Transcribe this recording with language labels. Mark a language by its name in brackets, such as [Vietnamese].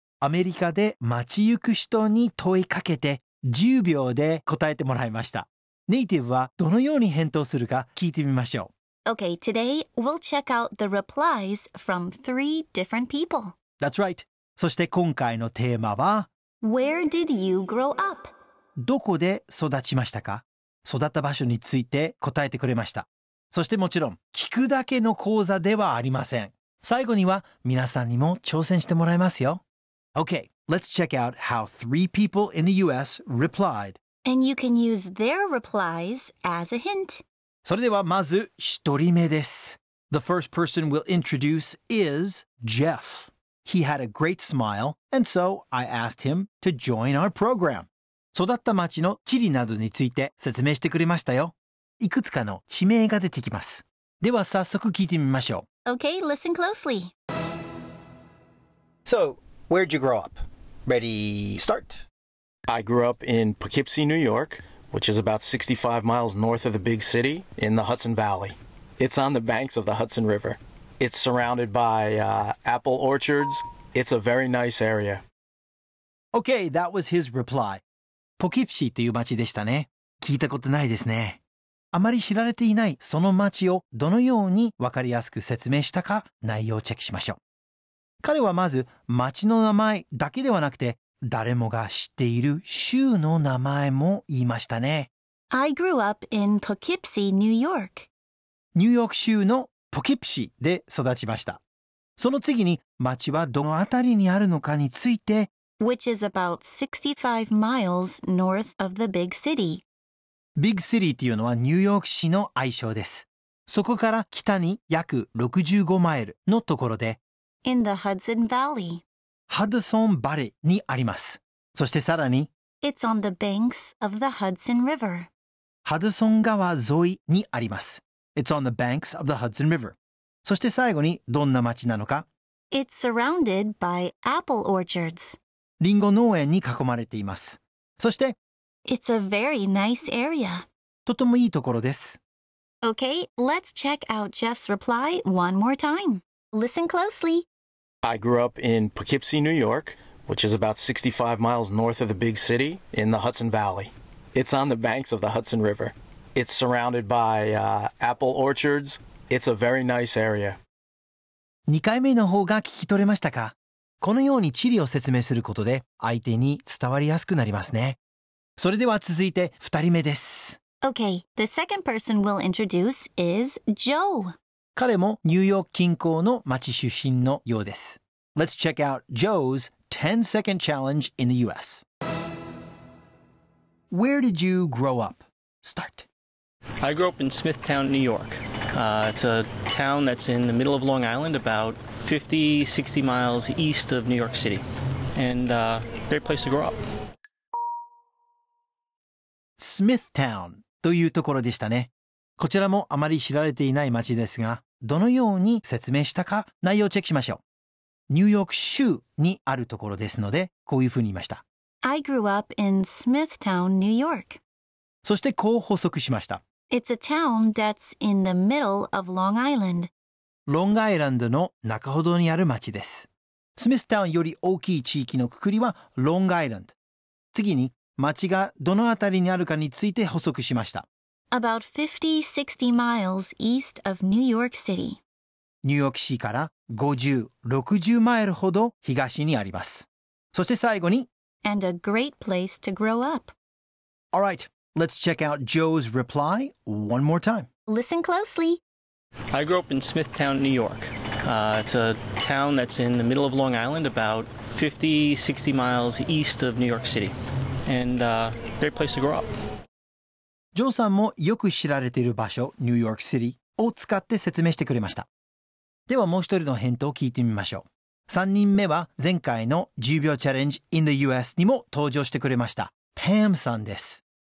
[Japanese] アメリカで街行く人に問いかけて10秒で答えてもらいました。ネイティブはどのように返答するか聞いてみましょう。 [English] Okay, today we'll check out the replies from three different people. That's right. [Japanese] そして今回のテーマは [English] Where did you grow up? [Japanese] どこで育ちましたか? 育った場所について答えてくれました。そしてもちろん聞くだけの講座ではありません。最後には皆さんにも挑戦してもらいますよ。 [English] Okay, let's check out how three people in the U.S. replied. And you can use their replies as a hint. [Japanese] それではまず一人目です。 [English] The first person we'll introduce is Jeff. He had a great smile, and so I asked him to join our program. [Japanese] 育った町の地理などについて説明してくれましたよ。いくつかの地名が出てきます。では早速聞いてみましょう。 [English] Okay, listen closely. So... Where'd you grow up? Ready, start. I grew up in Poughkeepsie, New York, which is about 65 miles north of the big city in the Hudson Valley. It's on the banks of the Hudson River. It's surrounded by apple orchards. It's a very nice area. Okay, that was his reply. [Japanese] Poughkeepsie という町でしたね。聞いたことないですね。あまり知られていないその町をどのようにわかりやすく説明したか内容をチェックしましょう。彼はまず町の名前だけではなくて誰もが知っている州の名前も言いましたね。 [English] I grew up in Poughkeepsie, New York. [Japanese] ニューヨーク州のポキプシで育ちました。その次に町はどのあたりにあるのかについて [English] Which is about 65 miles north of the big city. [Japanese] Big City というのはニューヨーク市の愛称です。そこから北に約65マイルのところで [English] In the Hudson Valley. [Japanese] Hudson Valley にあります。そしてさらに [English] It's on the banks of the Hudson River. [Japanese] Hudson 川沿いにあります。 [English] It's on the banks of the Hudson River. [Japanese] そして最後にどんな町なのか [English] It's surrounded by apple orchards. [Japanese] リンゴ農園に囲まれています。そして [English] It's a very nice area. [Japanese] とてもいいところです。 [English] Okay, let's check out Jeff's reply one more time. Listen closely. I grew up in Poughkeepsie, New York, which is about 65 miles north of the big city in the Hudson Valley. It's on the banks of the Hudson River. It's surrounded by apple orchards. It's a very nice area. [Japanese] 2回目の方が聞き取れましたか?このように地理を説明することで相手に伝わりやすくなりますね。それでは続いて2人目です。 [English] Okay, the second person we'll introduce is Joe. [Japanese] 彼もニューヨーク近郊の町出身のようです。 [English] Let's check out Joe's 10-second challenge in the U.S. Where did you grow up? Start. I grew up in Smithtown, New York. It's a town that's in the middle of Long Island, about 50-60 miles east of New York City. And great place to grow up. [Japanese] Smithtown というところでしたね。こちらもあまり知られていない町ですが、どのように説明したか内容をチェックしましょう。ニューヨーク州にあるところですので、こういうふうに言いました。 [English] I grew up in Smithtown, New York. [Japanese] そしてこう補足しました。 [English] It's a town that's in the middle of Long Island. [Japanese] ロングアイランドの中ほどにある町です。Smithtown より大きい地域のくくりはロングアイランド。次に町がどのあたりにあるかについて補足しました。 [English] About 50-60 miles east of New York City. [Japanese] ニューヨーク市から50-60マイルほど東にあります。そして最後に [English] And a great place to grow up. All right, let's check out Joe's reply one more time. Listen closely. I grew up in Smithtown, New York. It's a town that's in the middle of Long Island, about 50-60 miles east of New York City. And a great place to grow up. [Japanese] ジョーさんもよく知られている場所、ニューヨークシティを使って説明してくれました。ではもう一人の返答を聞いてみましょう。 3人目は前回の10秒チャレンジ [English] in the US [Japanese] にも登場してくれましたパムさんです。